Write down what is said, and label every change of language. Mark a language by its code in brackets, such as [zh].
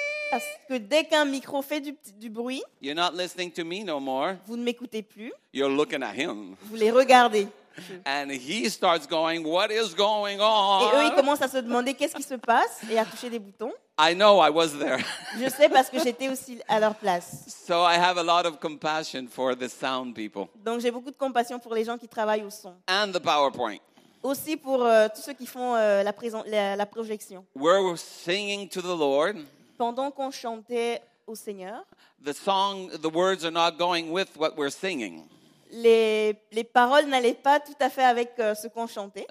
[fr] parce que dès qu'un micro fait du bruit, [en] you're not listening to me no more. [fr] Vous ne m'écoutez plus. [en] You're looking at him. [fr] Vous les regardez. [en] And he starts going, what is going on? [fr] Et eux, ils commencent à se demander qu'est-ce qui se passe et à toucher des boutons. [en] I know I was there. [fr] Je sais parce que j'étais aussi à leur place. [en] So I have a lot of compassion for the sound people. [fr] Donc j'ai beaucoup de compassion pour les gens qui travaillent au son. [en] And the PowerPoint. [fr] Aussi pour tous ceux qui font la projection. [en] We're singing to the Lord. [fr] Pendant qu'on chantait au Seigneur. [en] The song, the words are not going with what we're singing. [fr] Les paroles n'allaient pas tout à fait avec ce qu'on chantait.